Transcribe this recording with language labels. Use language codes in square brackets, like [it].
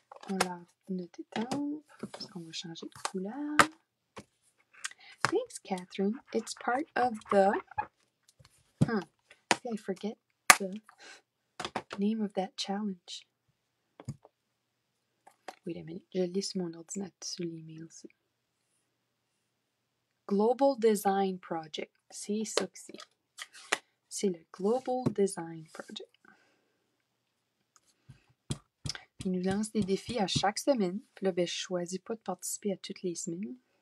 [fr] On lave notre étampe parce qu'on va changer de couleur. [en] Thanks, Catherine. It's part of the. I forget the name of that challenge. Wait a minute. [fr] Je lis sur mon ordinateur sur l'email. Global Design Project. C'est ça que c'est. C'est le Global Design Project. Il nous lance des défis à chaque semaine. Puis là, ben, je ne choisis pas de participer à toutes les semaines.